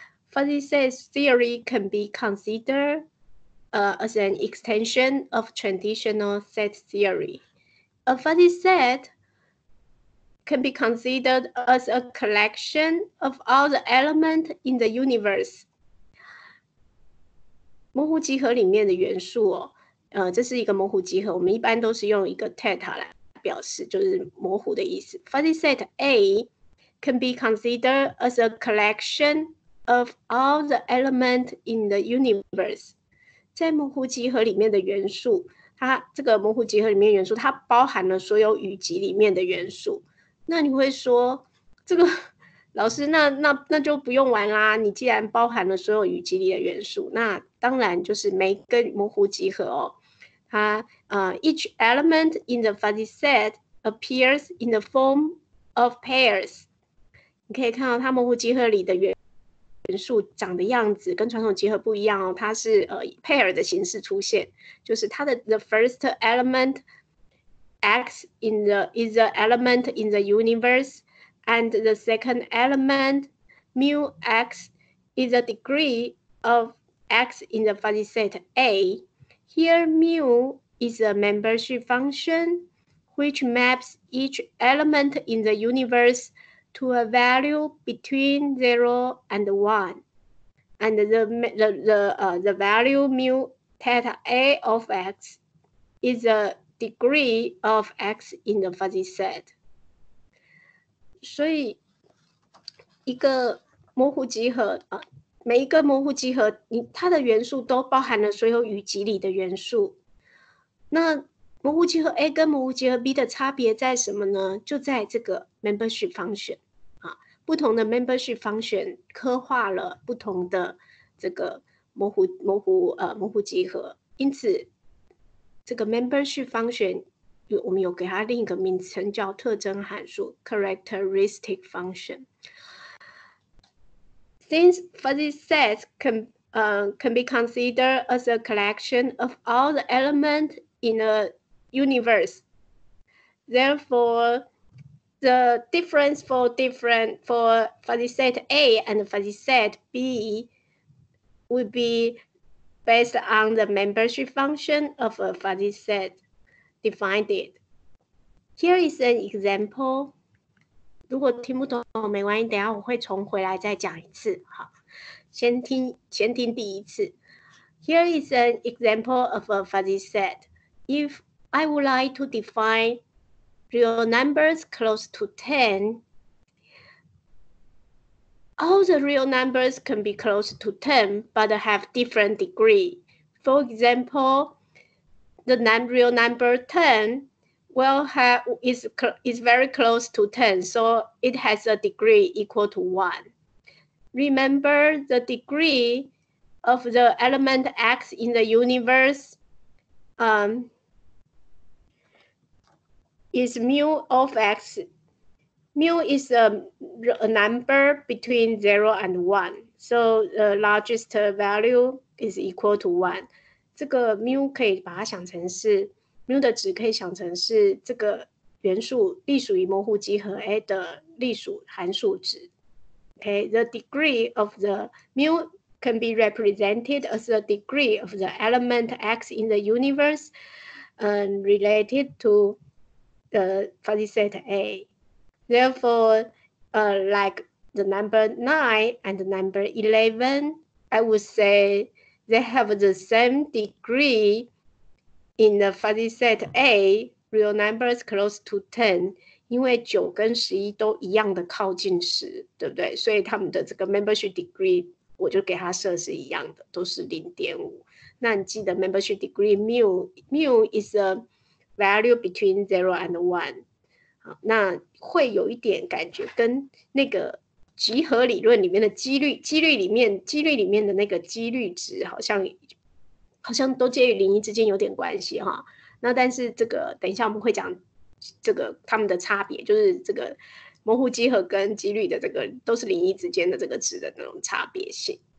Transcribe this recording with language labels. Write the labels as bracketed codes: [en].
[en] Fuzzy set theory can be considered as an extension of traditional set theory. A fuzzy set can be considered as a collection of all the elements in the universe. [zh] 模糊集合里面的元素哦，这是一个模糊集合，我们一般都是用一个 theta 来表示，就是模糊的意思。 [en] Fuzzy set A can be considered as a collection of all the elements in the universe. [zh] 在模糊集合里面的元素，它这个模糊集合里面的元素，它包含了所有宇集里面的元素。那你会说，这个老师，那就不用玩啦。你既然包含了所有宇集里的元素，那当然就是每个模糊集合哦。 [en] 它each element in the fuzzy set appears in the form of pairs. [zh] 你可以看到它模糊集合里的元素长的样子跟传统集合不一样哦，它是pair 的形式出现，就是它的 [en] the first element x is the element in the universe。 And the second element, mu x, is the degree of x in the fuzzy set A. Here, mu is a membership function which maps each element in the universe to a value between 0 and 1. And the value mu theta A of x is the degree of x in the fuzzy set. [zh] 所以一个模糊集合、每一个模糊集合它的元素都包含了所有宇集里的元素。那模糊集合 A 跟模糊集合 B 的差别在什么呢？就在这个 membership function、不同的 membership function 刻画了不同的这个模糊集合。因此这个 membership function我们有给它另一个名称叫特征函数 characteristic function. [en] Since fuzzy sets can be considered as a collection of all the elements in a universe, therefore the difference for fuzzy set A and fuzzy set B would be based on the membership function of a fuzzy setDefined it. Here is an example. [zh] 如果听不懂没关系，等一下我会重回来再讲一次。好，先听第一次。 [en] Here is an example of a fuzzy set. If I would like to define real numbers close to 10, all the real numbers can be close to 10, but have different degree. For example,The real number 10 is very close to 10, so it has a degree equal to 1. Remember, the degree of the element x in the universe is mu of x. Mu is a number between 0 and 1, so the largest value is equal to 1. [zh] 这个 mu 可以把它想成是 mu 的值，可以想成是这个元素隶属于模糊集合 A 的隶属函数值。 [en] Okay, the degree of the mu can be represented as the degree of the element x in the universe, related to the fuzzy set A. Therefore, like the number 9 and the number 11, I would say they have the same degree in the fuzzy set A, real numbers close to 10, [zh] 因为9跟11都一样的靠近10，对不对？所以他们的这个 membership degree 我就给他设是一样的，都是 0.5。那你记得 [en] membership degree mu is a value between 0 and 1。 [zh] 好，那会有一点感觉跟那个集合理论里面的几率里面的那个几率值好像都介于零一之间有点关系哈。那但是这个等一下我们会讲这个他们的差别，就是这个模糊集合跟几率的这个都是零一之间的这个值的那种差别性。